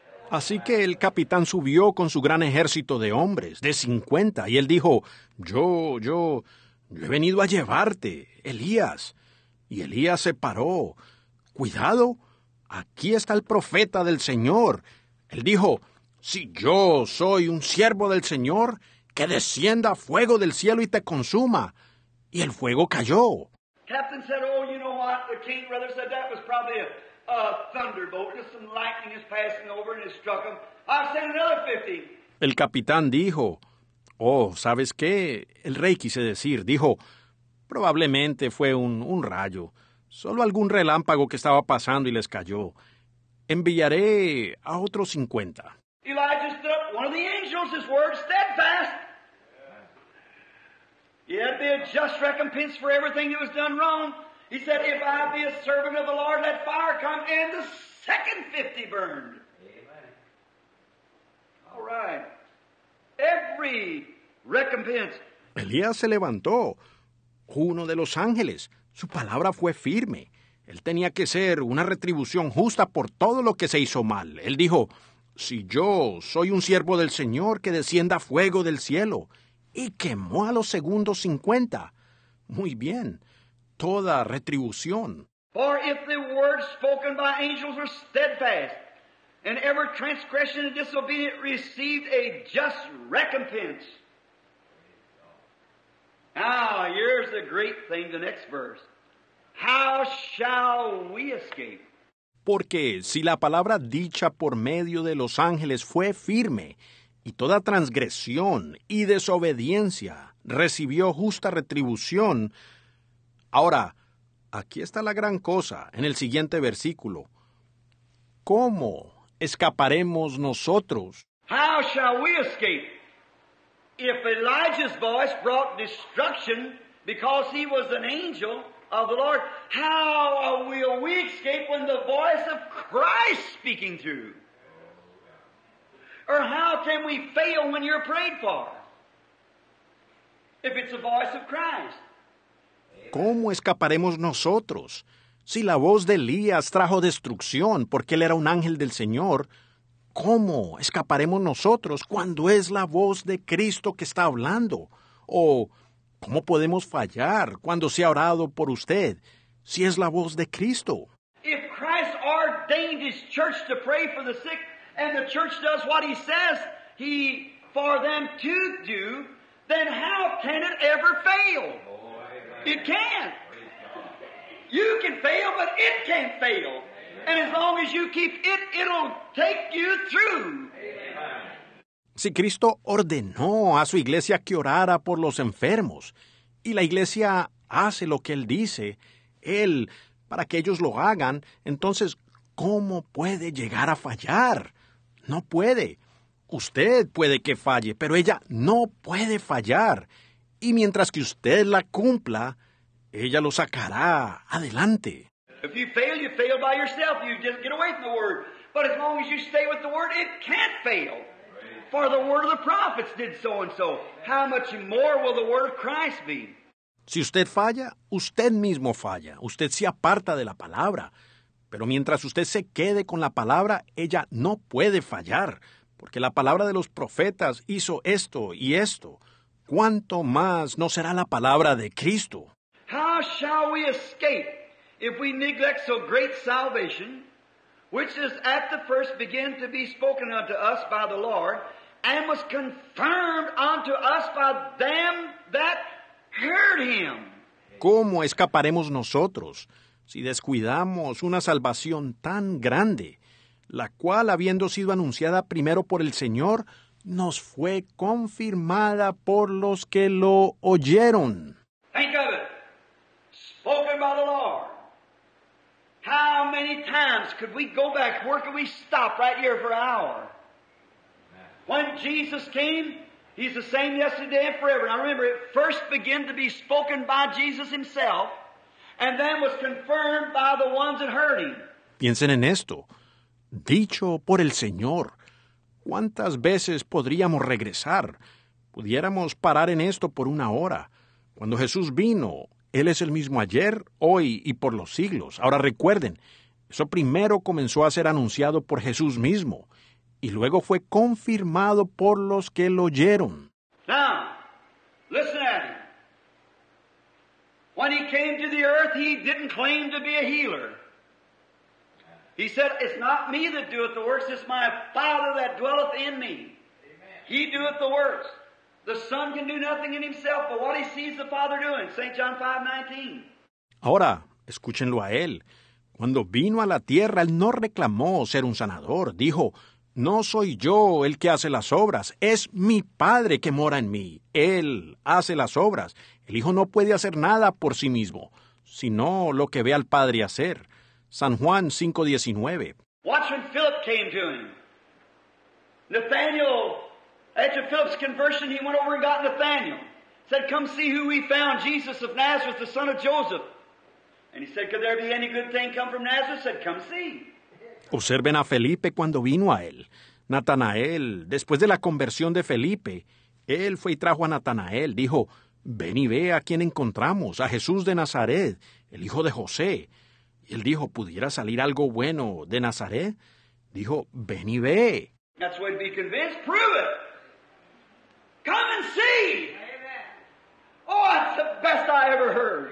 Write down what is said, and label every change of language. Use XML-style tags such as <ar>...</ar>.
<es>Así que el capitán subió con su gran ejército de hombres, de 50, y él dijo, yo he venido a llevarte, Elías. Y Elías se paró. Cuidado, aquí está el profeta del Señor. Él dijo, si yo soy un siervo del Señor, que descienda fuego del cielo y te consuma. Y el fuego cayó.</es> <en>Captain said, oh, you know what? The king brother said that was probably a thunderbolt. Just some lightning is passing over and it struck him. I'll send another 50.</en> <es>El capitán dijo, oh, ¿sabes qué? El rey quise decir, dijo, probablemente fue un rayo. Solo algún relámpago que estaba pasando y les cayó. Enviaré a otros 50.</es> <en>Elijah stood up, one of the angels, his word, steadfast. Yeah, it'd be a just recompense for everything that was done wrong. He said, if I be a servant of the Lord, let fire come, and the second 50 burned. Amen. All right. Every recompense.</en> <es>Elías se levantó. Uno de los ángeles. Su palabra fue firme. Él tenía que ser una retribución justa por todo lo que se hizo mal. Él dijo, si yo soy un siervo del Señor, que descienda fuego del cielo. Y quemó a los segundos 50. Muy bien. Toda retribución.</es> <en>For if the word spoken by angels were steadfast, and every transgression and disobedience received a just recompense. Now, here's the great thing, the next verse. How shall we escape?</en> <es>Porque si la palabra dicha por medio de los ángeles fue firme, y toda transgresión y desobediencia recibió justa retribución. Ahora, aquí está la gran cosa, en el siguiente versículo. ¿Cómo escaparemos nosotros?</es> <en>How shall we escape if Elijah's voice brought destruction because he was an angel of the Lord? How will we escape when the voice of Christ speaking through? Or how can we fail when you're prayed for if it's the voice of Christ?</en> <es>¿Cómo escaparemos nosotros si la voz de Elías trajo destrucción porque él era un ángel del Señor? ¿Cómo escaparemos nosotros cuando es la voz de Cristo que está hablando? ¿O cómo podemos fallar cuando se ha orado por usted si es la voz de Cristo?</es> <en>If Christ ordained his church to pray for the sick, and the church does what he says he for them to do, then how can it ever fail? Oh, it can't. You can fail, but it can't fail. Amen. And as long as you keep it, it'll take you through. Amen.</en> <es>Si Cristo ordenó a su iglesia que orara por los enfermos, y la iglesia hace lo que él dice, él, para que ellos lo hagan, entonces, ¿cómo puede llegar a fallar? No puede. Usted puede que falle, pero ella no puede fallar. Y mientras que usted la cumpla, ella lo sacará adelante.</es> <en>If you fail, you fail by yourself. You just get away from the word. But as long as you stay with the word, it can't fail. For the word of the prophets did so and so. How much more will the word of Christ be?</en> <es>Si usted falla, usted mismo falla. Usted se aparta de la palabra. Pero mientras usted se quede con la palabra, ella no puede fallar. Porque la palabra de los profetas hizo esto y esto. ¿Cuánto más no será la palabra de Cristo?</es> <en>How shall we escape if we neglect so great salvation, which is at the first began to be spoken unto us by the Lord, and was confirmed unto us by them that heard him?</en> <es>¿Cómo escaparemos nosotros si descuidamos una salvación tan grande, la cual, habiendo sido anunciada primero por el Señor, nos fue confirmada por los que lo oyeron?</es> <en>Think of it. Spoken by the Lord. How many times could we go back? Where could we stop right here for an hour? When Jesus came, he's the same yesterday and forever. Now remember, it first began to be spoken by Jesus himself, and then was confirmed by the ones that heard him.</en> <es>Piensen en esto. Dicho por el Señor, ¿cuántas veces podríamos regresar? Pudiéramos parar en esto por una hora. Cuando Jesús vino, Él es el mismo ayer, hoy y por los siglos. Ahora recuerden, eso primero comenzó a ser anunciado por Jesús mismo, y luego fue confirmado por los que lo oyeron.</es> <en>Now, listen at him. When he came to the earth, he didn't claim to be a healer. He said, it's not me that doeth the works, it's my Father that dwelleth in me. Amen. He doeth the works. The Son can do nothing in himself, but what he sees the Father doing. St. John 5:19.</en> <es>Ahora, escúchenlo a él. Cuando vino a la tierra, él no reclamó ser un sanador. Dijo, no soy yo el que hace las obras, es mi Padre que mora en mí. Él hace las obras. El Hijo no puede hacer nada por sí mismo, sino lo que ve al Padre hacer. San Juan 5:19.</es> <en>Watch when Philip came to him. Nathanael, after Philip's conversion, he went over and got Nathanael. Said, come see who we found, Jesus of Nazareth, the son of Joseph. And he said, could there be any good thing come from Nazareth? Said, come see.</en> <es>Observen a Felipe cuando vino a él. Natanael, después de la conversión de Felipe, él fue y trajo a Natanael. Dijo, ven y ve a quién encontramos, a Jesús de Nazaret, el hijo de José. Y él dijo, ¿pudiera salir algo bueno de Nazaret? Dijo, ven y ve.</es> <en>That's the way to be convinced. Prove it. Come and see. Amen. Oh, that's the best I ever heard.</en>